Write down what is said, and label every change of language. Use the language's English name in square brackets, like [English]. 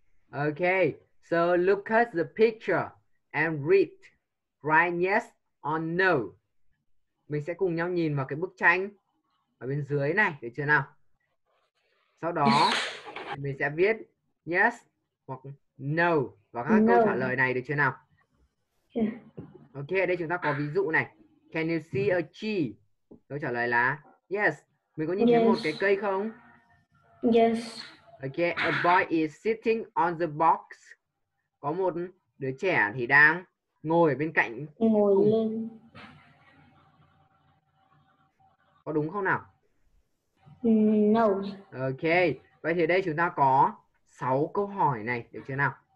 [English] Ok, so look at the picture and read. Write yes or no. [Vietnamese] Mình sẽ cùng nhau nhìn vào cái bức tranh ở bên dưới này, được chưa nào? Sau đó, mình sẽ viết yes hoặc no vào các [English] no. [Vietnamese] câu trả lời này, được chưa nào? [English] Yeah. [Vietnamese] Ok, đây chúng ta có ví dụ này. [English] Can you see a tree? [Vietnamese] Câu trả lời là yes. Mình có nhìn [English] yes. [Vietnamese] thấy một cái cây không? [English] Yes. Ok, a boy is sitting on the box. [Vietnamese] Có một đứa trẻ thì đang ngồi bên cạnh. Ngồi lên. Có đúng không nào? [English] No. [Vietnamese] Ok, vậy thì đây chúng ta có 6 câu hỏi này, được chưa nào?